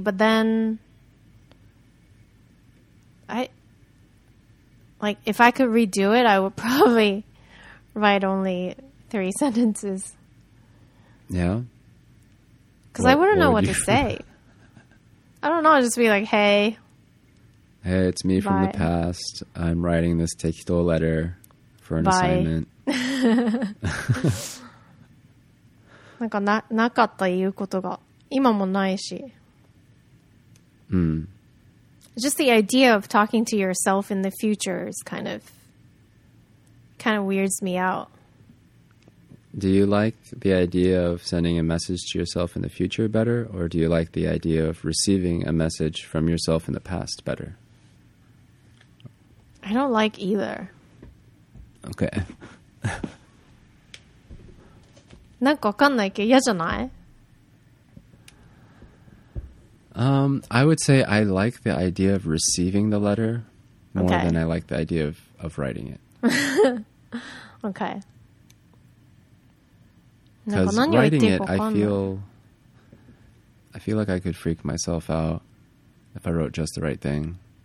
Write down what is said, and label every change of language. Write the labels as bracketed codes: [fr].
[en] But then I, like, if I could redo it, I would probably write only 3 sentences. Yeah. Because I wouldn't know what to say. I don't know. I'd just be like, hey. Hey, it's me from the past. I'm writing this tequito letter for an assignment. [ja] なんかなかった言うことが今もないし。 [en] Just the idea of talking to yourself in the future is kind of weirds me out. Do you like the idea of sending a message to yourself in the future better, or do you like the idea of receiving a message from yourself in the past better? I don't like either. Okay. [ja] なんかわかんないけど嫌じゃない？ [en] I would say I like the idea of receiving the letter more than I like the idea of writing it. Okay. Because writing it, I feel like I could freak myself out if I wrote just the right thing.